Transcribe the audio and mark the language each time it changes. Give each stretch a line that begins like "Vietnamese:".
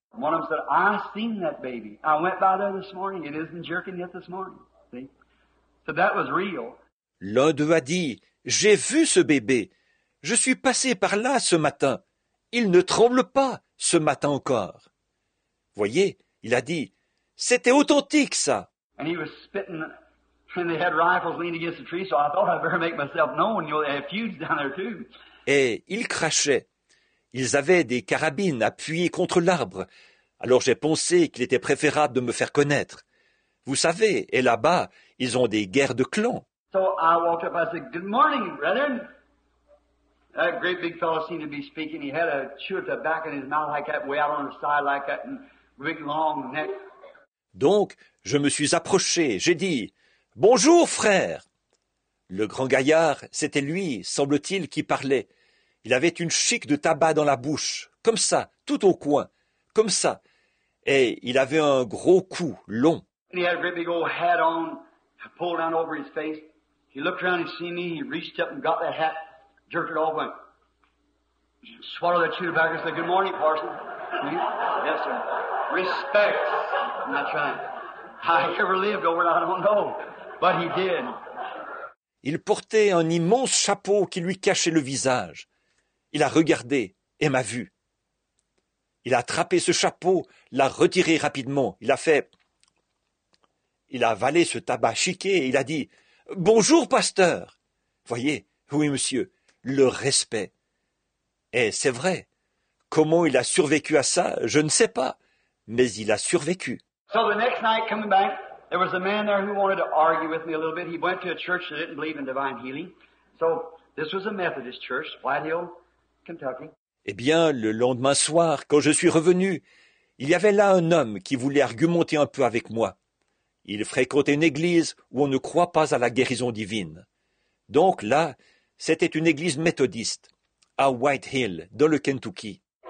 English: One of them said, I've seen that baby. I went by there this morning. It isn't jerking yet this morning. See? So that was real.
French: L'un d'eux a dit, j'ai vu ce bébé. Je suis passé par là ce matin. Il ne tremble pas ce matin encore. Voyez, il a dit, c'était authentique, ça.
English: And he was spitting, and they had rifles leaning against the tree, so I thought I'd better make myself known. You'll have feuds down there too.
French: Et il crachait. Ils avaient des carabines appuyées contre l'arbre. Alors j'ai pensé qu'il était préférable de me faire connaître. Vous savez, et là-bas, ils ont des guerres de clans.
English: So I walked up, I said, good morning, brethren. That great big fellow seemed to be speaking. He had a chew at the back in his mouth like that, way out on the side like that, and big long neck.
French: Donc, je me suis approché. J'ai dit, « Bonjour, frère !» Le grand gaillard, c'était lui, semble-t-il, qui parlait. Il avait une chique de tabac dans la bouche, comme ça, tout au coin, comme ça. Et il avait un gros cou, long.
English: And he had a great big old hat on, pulled down over his face. He looked around and seen me. He reached up and got that hat. Jerked it off and swallowed that chew back and said, good morning, parson. Yes, sir. Respect. I'm not trying. I ever lived over it, I don't know. But he did.
French: Il portait un immense chapeau qui lui cachait le visage. Il a regardé et m'a vu. Il a attrapé ce chapeau, l'a retiré rapidement. Il a fait... Il a avalé ce tabac chiqué et il a dit « Bonjour, pasteur !» Voyez, oui, monsieur, le respect. Et c'est vrai. Comment il a survécu à ça, je ne sais pas, mais il a survécu.
English: So the next night, coming back, there was a man there who wanted to argue with me a little bit. He went to a church that didn't believe in divine healing. So this was a Methodist church, White Hill, Kentucky.
French: Eh bien, le lendemain soir, quand je suis revenu, il y avait là un homme qui voulait argumenter un peu avec moi. Il fréquentait une église où on ne croit pas à la guérison divine. Donc là, c'était une église méthodiste, à White Hill, dans le Kentucky.